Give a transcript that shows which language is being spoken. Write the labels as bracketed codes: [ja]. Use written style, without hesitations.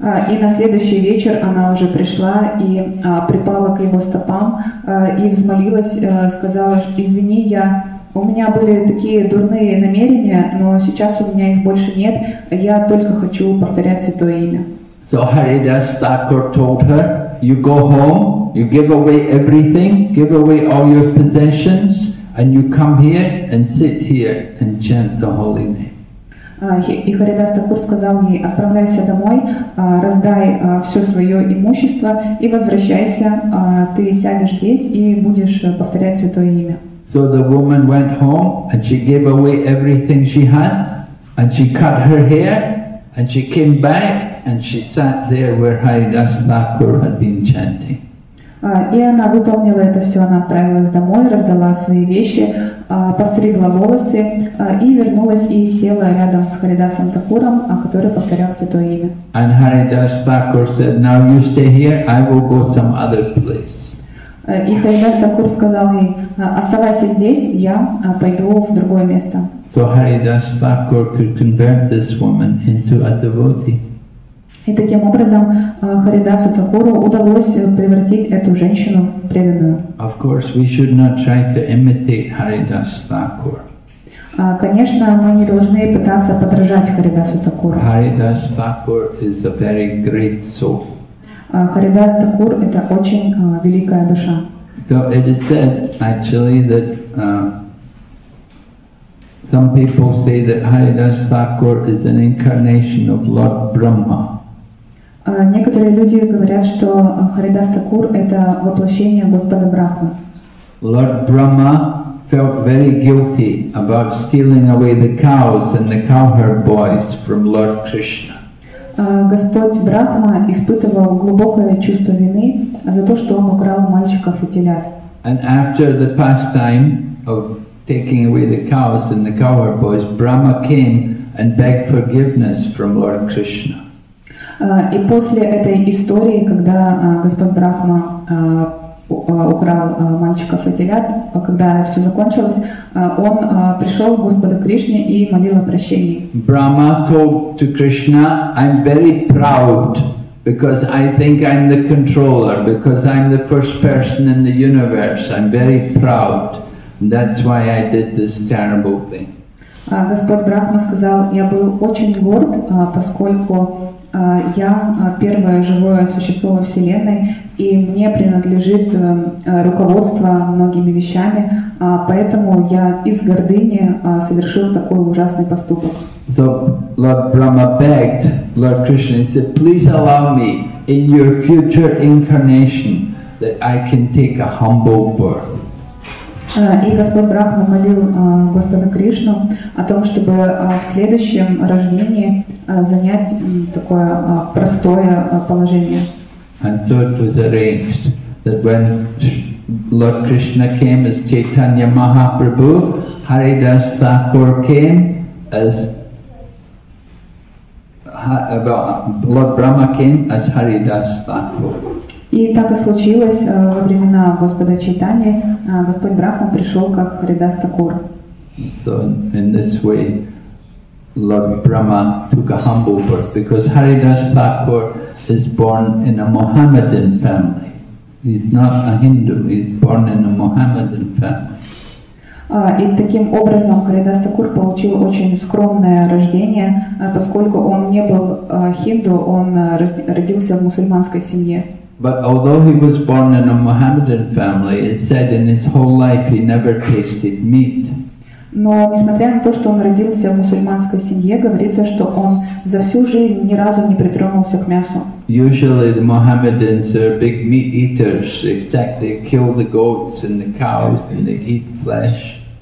[ru] И на следующий вечер она уже пришла и припала к его стопам и взмолилась, сказала, извини, у меня были такие дурные намерения, но сейчас у меня их больше нет, я только хочу повторять святое имя. [en] So Haridas Thakur told her, you go home, you give away everything, give away all your possessions, and you come here and sit here and chant the holy name. [ru] И Харидас Такур сказал ей, отправляйся домой, раздай все свое имущество и возвращайся, ты сядешь здесь и будешь повторять святое имя. [en] So the woman went home and she gave away everything she had and she cut her hair and she came back and she sat there where Haridas Thakur had been chanting. [ru] И она выполнила это все, она отправилась домой, раздала свои вещи, постригла волосы и вернулась и села рядом с Харидасом Такуром, который повторял святое имя. [en] And Haridas Thakur said, now you stay here, I will go some other place. [ru] И Харидас Такур сказал ей, оставайся здесь, я пойду в другое место. [en] So Haridas Thakur could convert this woman into a devotee. [ru] И таким образом Харидасу Такуру удалось превратить эту женщину в преданную. [en] Of course, we should not try to imitate Haridas Thakur. [ru] Конечно, мы не должны пытаться подражать Харидасу Такуру. [en] Харидас Такур is a very great soul. [ru] Харидас Такур — это очень великая душа. [en] So it is said, actually, that some people say that Haridas Thakur is an incarnation of Lord Brahma. [ru] Некоторые люди говорят, что Харидас Такур — это воплощение Господа Брахмы. [en] Lord Brahma felt very guilty about stealing away the cows and the cowherd boys from Lord Krishna. [ru] Господь Брахма испытывал глубокое чувство вины за то, что он украл мальчиков и телят. [en] And after the pastime of taking away the cows and the cowherd boys, Brahma came and begged forgiveness from Lord Krishna. [ru] И после этой истории, когда Господь Брахма украл мальчиков и телят, когда все закончилось, он пришел к Господу Кришне и молил о прощении. [en] Brahma told to Krishna, I'm very proud because I think I'm the controller, because I'm the first person in the universe. I'm very proud. That's why I did this terrible thing. [ru] Господь Брахма сказал, я был очень горд, поскольку я первое живое существо во Вселенной, и мне принадлежит руководство многими вещами, поэтому я из гордыни совершил такой ужасный поступок. [en] So Lord Brahma begged Lord Krishna and said, please allow me in your future incarnation that I can take a humble birth. [ru] И Господь Брахма молил Господа Кришну о том, чтобы в следующем рождении занять такое простое положение. [en] And so it was arranged that when Lord Krishna came as Chaitanya Mahaprabhu, Haridas Thakur came as Lord Brahma came as Haridas Thakur. [ru] И так и случилось во времена Господа Чайтани, Господь Брахма пришел как Харидас Такур. [en] So in this way, Lord Brahma took a humble birth, because Haridas Thakur is born in a Mohammedan family. He's not a Hindu, he's born in a Mohammedan family. [ru] И таким образом Харидас Такур получил очень скромное рождение, поскольку он не был хинду, он родился в мусульманской семье. [en] But although he was born in a Mohammedan family, it said in his whole life he never tasted meat. [ru] Но несмотря на то, что он родился в мусульманской семье, говорится, что он за всю жизнь ни разу не притронулся к мясу. [en] Usually the Mohammedans are big meat eaters. Exactly, they kill the goats and the cows and they eat flesh.